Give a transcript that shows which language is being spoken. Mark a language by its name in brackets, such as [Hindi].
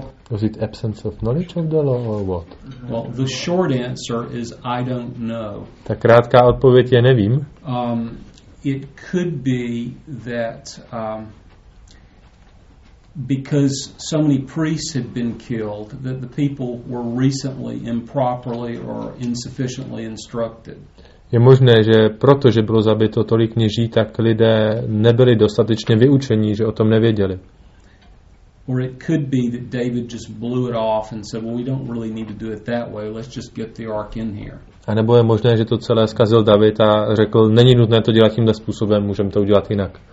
[English] Was it absence of knowledge of the law or what? Well, the short answer is I don't know. [Czech] Ta krátká odpověď je nevím. [English] It could be that because so many priests had been killed, that the people were recently improperly or insufficiently instructed. [Czech] Je možné, že protože bylo zabito tolik kněží, tak lidé nebyli dostatečně vyučení, že o tom nevěděli. [English] Or it could be that David just blew it off and said, well, we don't really need to do it that way, let's just get the ark in here. [Czech] A nebo je možné, že to celé zkazil David a řekl, není nutné to dělat tímhle způsobem, můžeme to udělat jinak.